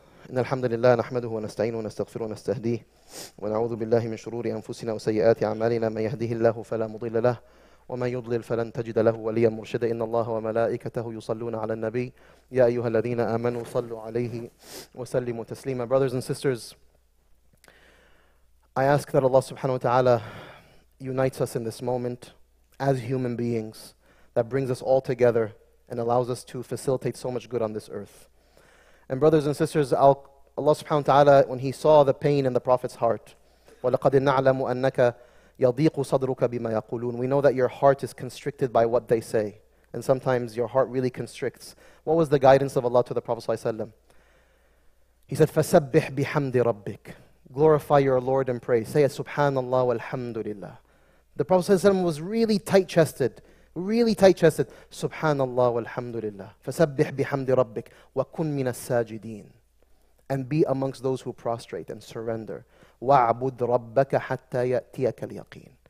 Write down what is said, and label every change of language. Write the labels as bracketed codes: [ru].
[ar] إن الحمد لله نحمده ونستعينه ونستغفره ونستهديه ونعوذ بالله من شرور أنفسنا وسيئات أعمالنا من يهده الله فلا مضل له ومن يضلل فلن تجد له وليا مرشدا إن الله وملائكته يصلون على النبي يا أيها الذين آمنوا صلوا عليه وسلموا تسليما. [en] Brothers and sisters, I ask that Allah subhanahu wa ta'ala unites us in this moment as human beings, that brings us all together and allows us to facilitate so much good on this earth. And brothers and sisters, Allah subhanahu wa ta'ala, when He saw the pain in the Prophet's heart, [ar] وَلَقَدْ نَعْلَمُ أَنَّكَ يَضِيقُ صَدْرُكَ بِمَا يَقُولُونَ. [en] We know that your heart is constricted by what they say. And sometimes your heart really constricts. What was the guidance of Allah to the Prophet sallallahu alayhi wa sallam? He said, [ar] فَسَبِّحْ بِحَمْدِ رَبِّكَ. [en] Glorify your Lord and pray. Say, Subhanallah walhamdulillah. The Prophet ﷺ was really tight-chested. Really tight-chested. Subhanallah walhamdulillah. [ar] Fasabbih bihamdi rabbik. Wa kun minas sajideen. [en] And be amongst those who prostrate and surrender. [ar] Wa'bud rabbaka hatta ya'tiyaka al-yaqeen.